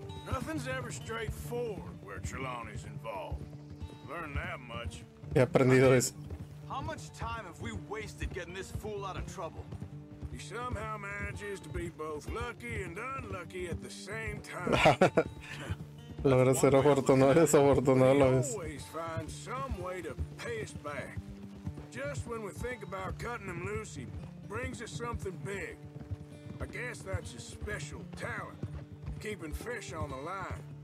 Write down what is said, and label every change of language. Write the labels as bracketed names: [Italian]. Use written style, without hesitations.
[English] Nothing's ever straightforward where Trelawney's involved. Learn that much. [Spanish] He aprendido eso. [English] How much time have we wasted getting this fool out of trouble? He somehow manages to be both lucky and unlucky at the same time. [Spanish] Logra ser afortunado y desafortunado a la vez. [English] Always find some way to pay us back. Just when we think about cutting him loose, he brings us something big. I guess that's his special talent, keeping fish on the line.